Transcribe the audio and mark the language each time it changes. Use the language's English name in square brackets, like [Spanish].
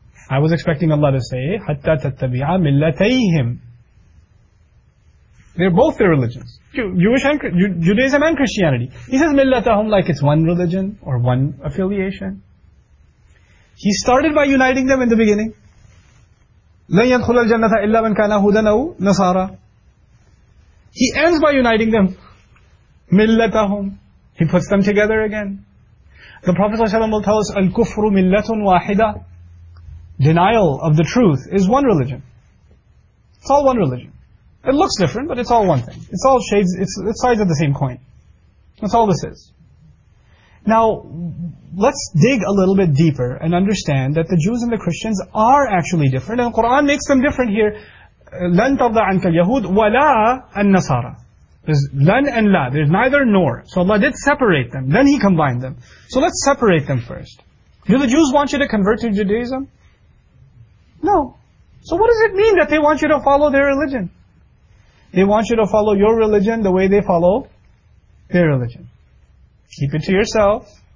[English] I was expecting Allah to say, [Arabic] حَتَّى تَتَّبِعَ مِلَّتَيْهِمْ [English] They're both their religions. Jewish and Judaism and Christianity. He says مِلَّتَهُمْ like it's one religion or one affiliation. He started by uniting them in the beginning. [Arabic] لَنْ يَدْخُلَ الْجَنَّةَ إِلَّا مَنْ كَانَ هُدًا أَوْ نَصَارَى [English] He ends by uniting them. مِلَّتَهُمْ He puts them together again. The Prophet ﷺ will tell us, [Arabic] الْكُفْرُ مِلَّةٌ وَاحِدَةٌ [English] Denial of the truth is one religion. It's all one religion. It looks different, but it's all one thing. It's all shades, it's sides of the same coin. That's all this is. Now, let's dig a little bit deeper and understand that the Jews and the Christians are actually different, and the Quran makes them different here. [Arabic] لَنْ تَرْضَى عَنْكَ الْيَهُودِ وَلَا النَّصَارَى [English] There's [Arabic] لَنْ [English] and [Arabic] لَا. [English] There's neither nor. So Allah did separate them. Then He combined them. So let's separate them first. Do the Jews want you to convert to Judaism? No. So what does it mean that they want you to follow their religion? They want you to follow your religion the way they follow their religion. Keep it to yourself.